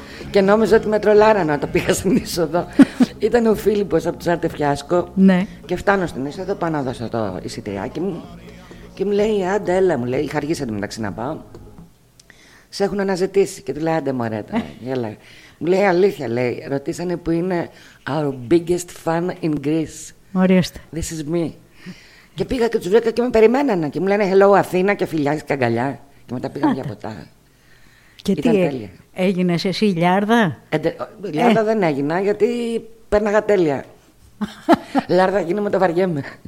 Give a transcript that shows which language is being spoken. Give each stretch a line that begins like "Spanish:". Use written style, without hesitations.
Greek: Και νόμιζα ότι με τρολάρανε όταν πήγα στην είσοδο. Ήταν ο Φίλιππος από το Τσάρτε Φιάσκο. Ναι. Και φτάνω στην είσοδο, πάω να δώσω το εισιτηριάκι μου και μου λέει: άντε, έλα, μου λέει, είχα αργήσει εντωμεταξύ να πάω. Σε έχουν αναζητήσει. Και του λέει: άντε, μωρέ, έλα. Μου λέει αλήθεια, λέει. Ρωτήσανε που είναι
English: our biggest fan in Greece.
Greek: Ορίστε.
English: This is me.
Greek: Και πήγα και του βρήκα και με περιμένανε. Και μου λένε
English: hello
Greek: Αθήνα και φιλιά και αγκαλιά. Και μετά πήγαμε για ποτά. Και ήταν τι τέλεια. Έγινε εσύ λιάρδα? Λιάρδα δεν έγινα γιατί πέρναγα τέλεια. Λιάρδα γίνομαι με το βαριέμαι.